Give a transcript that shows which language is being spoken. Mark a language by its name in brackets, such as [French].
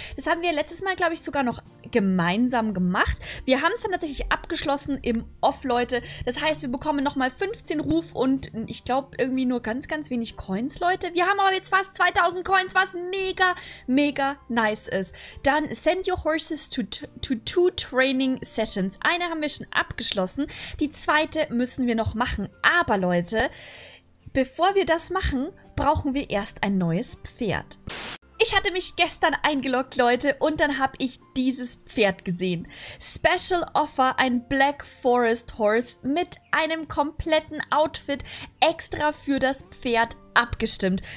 [German] Das haben wir letztes Mal, glaube ich, sogar noch gemeinsam gemacht. Wir haben es dann tatsächlich abgeschlossen im Off, Leute. Das heißt, wir bekommen nochmal 15 Ruf und ich glaube irgendwie nur ganz, ganz wenig Coins, Leute. Wir haben aber jetzt fast 2000 Coins, was mega, mega nice ist. Dann [English] send your horses to two training sessions. [German] Eine haben wir schon abgeschlossen. Die zweite müssen wir noch machen. Aber Leute, bevor wir das machen, brauchen wir erst ein neues Pferd. Ich hatte mich gestern eingeloggt, Leute, und dann habe ich dieses Pferd gesehen. Special Offer, ein Black Forest Horse mit einem kompletten Outfit extra für das Pferd abgestimmt.